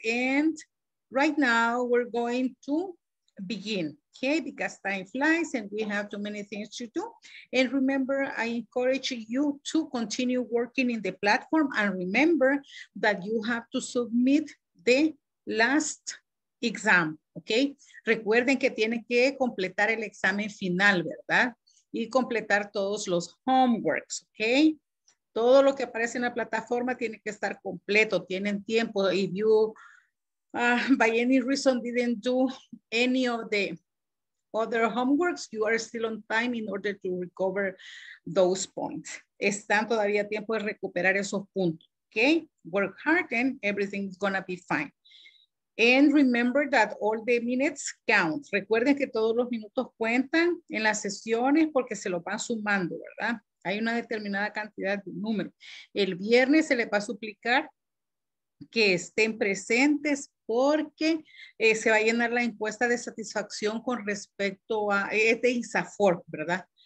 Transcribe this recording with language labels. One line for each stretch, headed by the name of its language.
English: And right now we're going to begin, okay? Because time flies and we have too many things to do. And remember, I encourage you to continue working in the platform. And remember that you have to submit the last exam, okay?
Spanish: Recuerden que tienen que completar el examen final, ¿verdad? Y completar todos los homeworks, okay? Todo lo que aparece en la plataforma tiene que estar completo. Tienen tiempo.
English: If you, by any reason, didn't do any of the other homeworks, you are still on time in order to recover those points.
Spanish: Están todavía tiempo de recuperar esos puntos. Okay?
English: Work hard and everything is going to be fine. And remember that all the minutes count.
Spanish: Recuerden que todos los minutos cuentan en las sesiones porque se lo van sumando, ¿verdad? Hay una determinada cantidad de números. El viernes se les va a suplicar que estén presentes porque se va a llenar la encuesta de satisfacción con respecto a, es de INSAFORP, ¿verdad?